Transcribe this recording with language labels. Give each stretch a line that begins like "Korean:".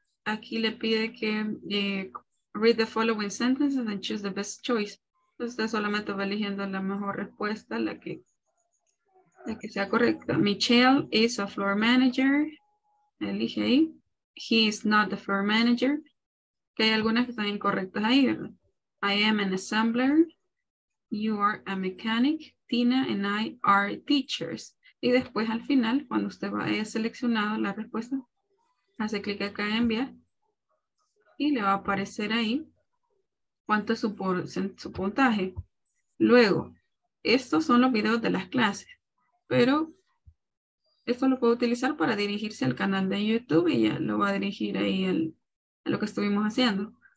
Spanish: Aquí le pide que
English: read the following sentences and choose the best choice.
Spanish: Entonces, usted solamente va eligiendo la mejor respuesta, la que sea correcta.
English: Michelle is a floor manager.
Spanish: Elige ahí.
English: He is not the floor manager.
Spanish: Que hay algunas que están incorrectas ahí, ¿verdad?
English: I am an assembler. You are a mechanic, Tina and I are teachers.
Spanish: Y después al final, cuando usted haya seleccionado la respuesta, hace clic acá en enviar y le va a aparecer ahí cuánto es su puntaje. Luego, estos son los videos de las clases, pero esto lo puede utilizar para dirigirse al canal de YouTube y ya lo va a dirigir ahí a lo que estuvimos haciendo.